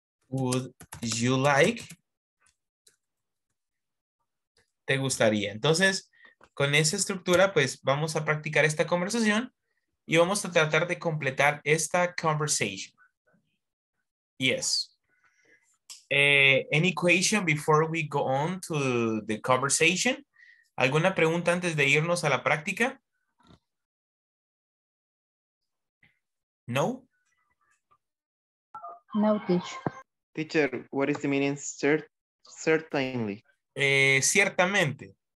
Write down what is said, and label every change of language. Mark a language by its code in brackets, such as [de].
[en] Would you like? [es] ¿Te gustaría? Entonces, con esa estructura, pues vamos a practicar esta conversación y vamos a tratar de completar esta conversation. [en] Yes. Any question before we go on to the conversation? [es] ¿Alguna pregunta antes de irnos a la práctica? [en] No? No, teacher. Teacher, what is the meaning certainly? [es] Ciertamente.